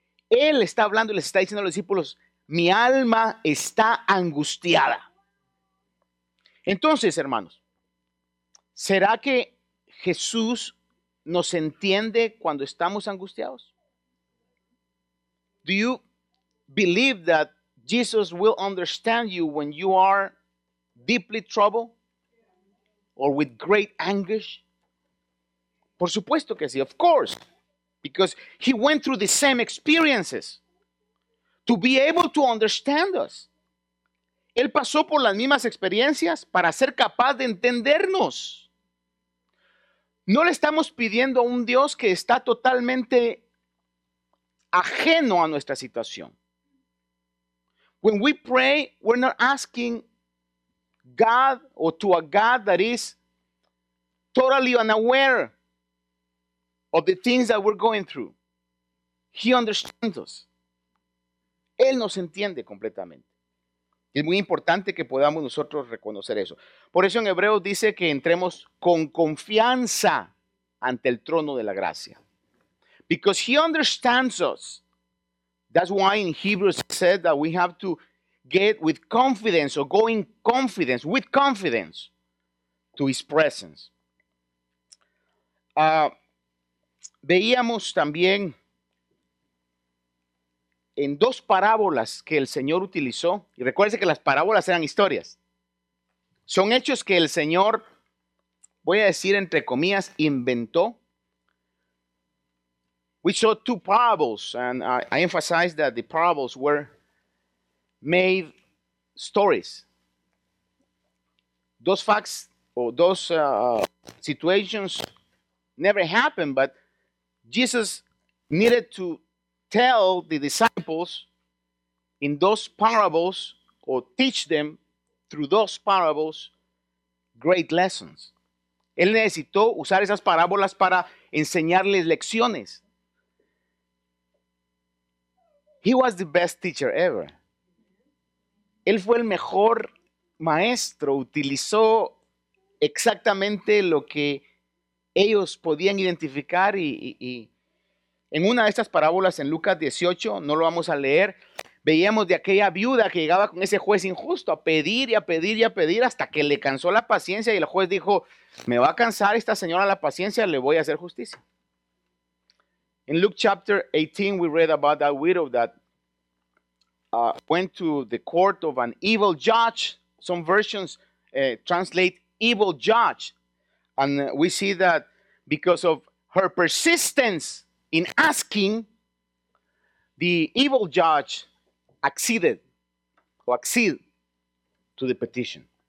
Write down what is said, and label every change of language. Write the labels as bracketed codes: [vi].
[es] Él está hablando y les está diciendo a los discípulos, mi alma está angustiada. Entonces, hermanos, ¿será que Jesús nos entiende cuando estamos angustiados? [en] Do you believe that Jesus will understand you when you are deeply troubled or with great anguish? [es] Por supuesto que sí, [en] of course. Because he went through the same experiences to be able to understand us. [es] Él pasó por las mismas experiencias para ser capaz de entendernos. No le estamos pidiendo a un Dios que está totalmente ajeno a nuestra situación. [en] When we pray, we're not asking God or to a God that is totally unaware of the things that we're going through. He understands us. [es] Él nos entiende completamente. Es muy importante que podamos nosotros reconocer eso. Por eso en Hebreos dice que entremos con confianza ante el trono de la gracia. [en] because he understands us. That's why in Hebrews it said that we have to get with confidence or go in confidence, with confidence, to his presence. [es] Veíamos también en dos parábolas que el Señor utilizó, y recuérdense que las parábolas eran historias, son hechos que el Señor, voy a decir entre comillas, inventó. [en] We saw two parables, and I emphasize that the parables were made stories. Those facts or those situations never happened, but Jesus needed to tell the disciples in those parables or teach them through those parables great lessons. [es] Él necesitó usar esas parábolas para enseñarles lecciones. [en] He was the best teacher ever. [es] Él fue el mejor maestro. Utilizó exactamente lo que ellos podían identificar. Y en una de estas parábolas en Lucas 18, no lo vamos a leer, veíamos de aquella viuda que llegaba con ese juez injusto a pedir y a pedir y a pedir hasta que le cansó la paciencia. Y el juez dijo, me va a cansar esta señora la paciencia, le voy a hacer justicia. [en] In Luke chapter 18, we read about that widow that went to the court of an evil judge. Some versions translate evil judge. And we see that because of her persistence in asking, the evil judge acceded to the petition.